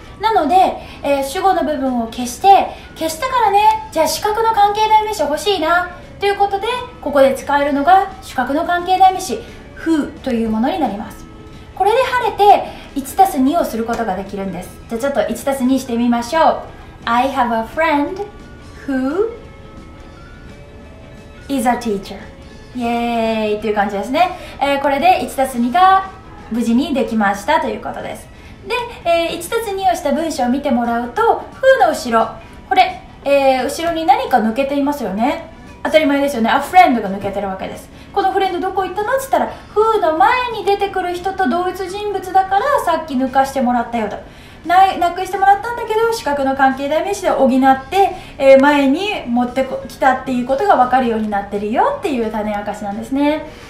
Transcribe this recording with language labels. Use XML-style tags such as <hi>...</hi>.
<ja>なので、主語の部分を消して、消したからね、じゃあ主格の関係代名詞欲しいなということで、ここで使えるのが主格の関係代名詞 who というものになります。これで晴れて 1+2 をすることができるんです。じゃあちょっと 1+2 してみましょう。</ja> <en>I have a friend who is a teacher</en> <ja>イエーイという感じですね。これで 1+2 が無事にできましたということです。で、1+2 をした文章を見てもらうと、Who の後ろ、これ、後ろに何か抜けていますよね。当たり前ですよね。 A friend が抜けてるわけです。このフレンドどこ行ったのって言ったら、 Who の前に出てくる人と同一人物だから、さっき抜かしてもらったよと、なくしてもらったんだけど、資格の関係代名詞で補って、前に持ってきたっていうことが分かるようになってるよっていう種明かしなんですね。</ja>